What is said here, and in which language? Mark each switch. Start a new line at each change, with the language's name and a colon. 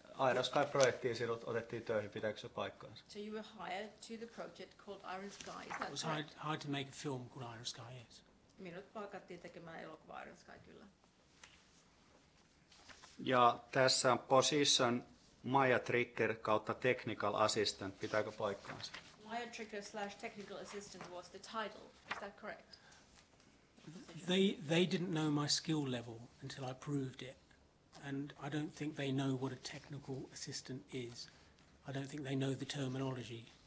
Finnish: Iron Sky-projektiin sinut otettiin töihin, pitääkö se paikkaansa?
English: So you were hired to the project called Iron Sky, is that correct? It was hired to make a film called Iron Sky, yes.
Finnish: Minut palkattiin tekemään elokuva Iron Sky, kyllä. Ja tässä on position Maya Tricker kautta technical assistant, pitääkö paikkaansa?
English: Maya Tricker / technical assistant was the title, is that correct? They didn't know my skill level until I proved it. And I don't think they know what a technical assistant is. I don't think they know the terminology.